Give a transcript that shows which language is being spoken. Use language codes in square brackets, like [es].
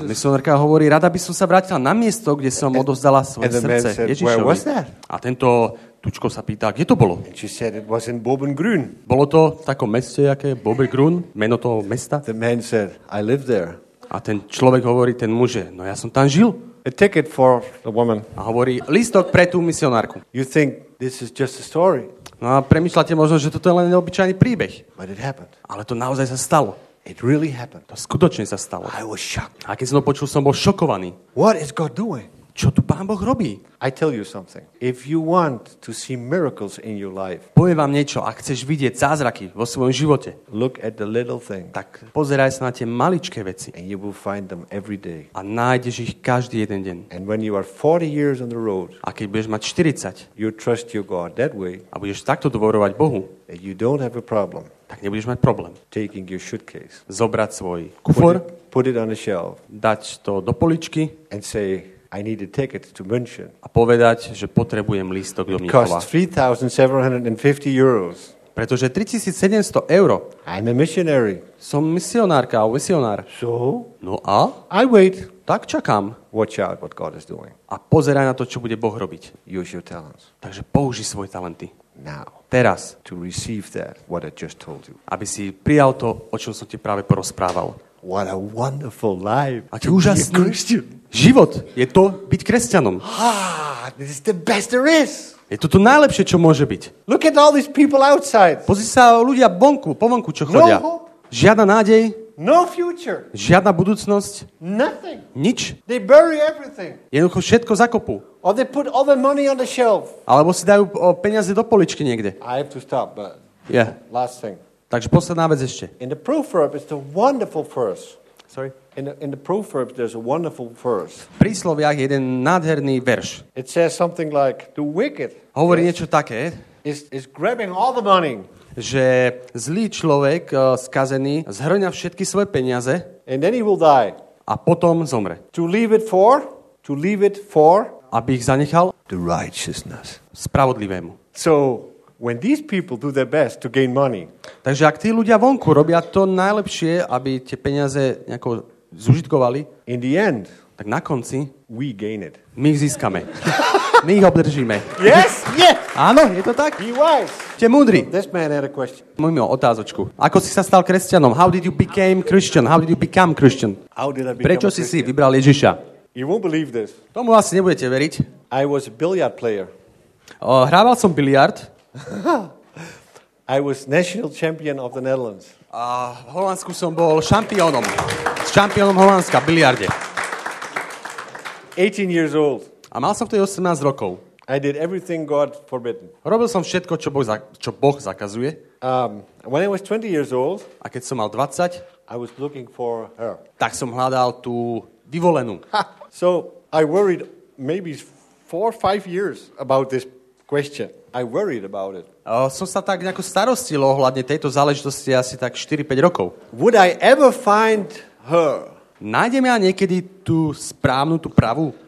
[sk] A misionárka hovorí, rada by som sa vrátila na miesto, kde som odovzdala svoje srdce Ježišovi. [en] And the man said, where was that? [sk] A tento tučko sa pýta, kde to bolo? [en] And she said, it was in Bobengrün. [sk] Bolo to v takom meste, aké Bobengrün, meno toho mesta? [en] The man said, I live there. [sk] A ten človek hovorí, ten muže, no ja som tam žil. [en] A ticket for the woman. [sk] A hovorí, lístok pre tú misionárku. [en] You think this is just a story. [sk] No a premýšľate možno, že toto je len neobyčajný príbeh. [en] But it happened. [sk] Ale to naozaj sa stalo. [en] It really happened. [sk] To skutočne sa stalo. [en] I was shocked. [sk] A keď som to počul, som bol šokovaný. [en] What is God doing? [sk] Čo tu Pán Boh robí? [en] I tell you something. If you want to see miracles in your life. [sk] Poviem vám niečo, ak chceš vidieť zázraky vo svojom živote. [en] Look at the little thing. [sk] Tak pozeraj sa na tie maličké veci. [en] And you will find them every day. [sk] A nájdeš ich každý jeden deň. [en] And when you are 40 years on the road. [sk] A keď budeš mať 40. [en] You trust your God that way. [sk] A budeš takto dôverovať Bohu. [en] And you don't have a problem. [sk] Tak nebudeš mať problém. [en] Taking your suitcase. [sk] Zobrať svoj kufor. [en] Put it on a shelf. [sk] Dať to do poličky. [en] And say I need a ticket to München. [sk] A povedať, že potrebujem lístok do Mníchova. [en] It costs 3,750 euros. [sk] Pretože 3,700 eur. [en] I'm a missionary. [sk] Som misionárka, misionár. [en] So? [sk] No a? [en] I wait. [sk] Tak čakám. [en] Watch out what God is doing. [sk] A pozeraj na to, čo bude Boh robiť. [en] Use your talents. [sk] Takže použi svoje talenty. [en] Now. [sk] Teraz. [en] To receive that, what I just told you. [sk] Aby si prijal to, o čom som ti práve porozprával. [en] What a wonderful life. [sk] Aký úžasný život je to byť kresťanom. [en] Ah, this is the best there is. [sk] Je to najlepšie, čo môže byť. [en] Look at all these people outside. [sk] Pozri sa ľudia vonku, povonku, čo chodia. [en] No hope. [sk] Žiadna nádej. [en] No future. [sk] Žiadna budúcnosť. [en] Nothing. [sk] Nič. [en] They bury everything. [sk] Jednoducho všetko zakopú. [en] Or they put all the money on the shelf. [sk] Alebo si dajú peniaze do poličky niekde. [en] I have to stop, but yeah. Last thing. [sk] Takže posledná vec ešte. [en] In the proverb it's a wonderful verse. Sorry. In the proverb there's a wonderful verse. [sk] V prísloviach je jeden nádherný verš. [en] It says something like the wicked. [sk] Hovorí niečo také. [en] Is grabbing all the money. [sk] Že zlý človek, skazený, zhrňa všetky svoje peniaze. [en] And then he will die. [sk] A potom zomre. [en] To leave it for? [sk] Aby ich zanechal [en] the righteousness. [sk] Spravodlivému. [en] So when these people do their best to gain money. [sk] Takže ak tí ľudia vonku robia to najlepšie, aby tie peniaze nejako zužitkovali, [en] in the end, [sk] tak na konci [en] we gain it. [sk] My ich získame. My ich obdržíme. [en] Yes? Yes. [sk] Áno, je to tak? [en] Be wise. [sk] Te múdri. [en] This man had a question. [sk] Môj mi otázočku. Ako si sa stal kresťanom? [en] How did you became Christian? How did you become Christian? How did I become [sk] Prečo [en] a Christian? [sk] Si vybral Ježiša? [en] You won't believe this. [sk] Tomu asi nebudete veriť. [en] I was a billiard player. [sk] Hrával som biliard. [en] I was national champion of the Netherlands. [sk] A v Holandsku som bol šampiónom. Šampiónom Holandska v biliarde. [en] 18 years old. [sk] A mal som vtedy 18 rokov. [en] I did everything God forbidden. [sk] Robil som všetko, čo Boh zakazuje. [en] When I was 20 years old. [sk] A keď som mal 20, [en] I was looking for her. [sk] Tak som hľadal tú vyvolenú. [en] So I worried maybe 4-5 years about this question. I worried about it. [sk] Som sa tak nejako starostil ohľadne tejto záležitosti asi tak 4-5 rokov. [en] Would I ever find her? [sk] Nájdem ja niekedy tú správnu, tú pravú?